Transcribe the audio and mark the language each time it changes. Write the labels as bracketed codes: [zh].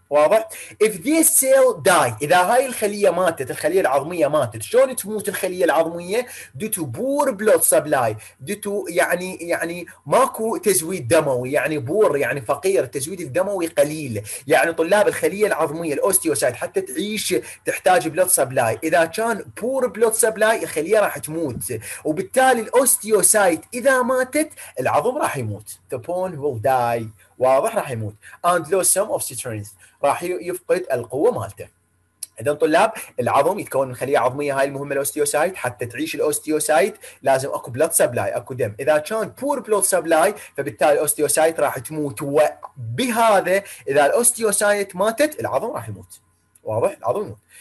[ar] واضح؟ [en] If this cell die، [ar] إذا هاي الخلية ماتت، الخلية العظمية ماتت، شلون تموت الخلية العظمية؟ [en] due to poor blood supply، [ar] due to يعني ماكو تزويد دموي، يعني بور يعني فقير، التزويد الدموي قليل. يعني طلاب الخلية العظمية الأوستيوسايت حتى تعيش تحتاج blood supply، إذا كان [en] poor blood supply [ar] الخلية راح تموت، وبالتالي الأوستيوسايت إذا ماتت العظم راح يموت، [en] the bone will die. [ar] واضح راح يموت. [en] And lose some of strength، [ar] راح يفقد القوة مالته. إذا طلاب العظم يتكون من خلية عظمية، هاي المهمة الأوستيوسايت، حتى تعيش الأوستيوسايت لازم أكو بلود سبلاي، أكو دم. إذا كان [en] poor blood supply [ar] فبالتالي الأوستيوسايت راح تموت، وبهذا إذا الأوستيوسايت ماتت العظم راح يموت. واضح؟ العظم يموت.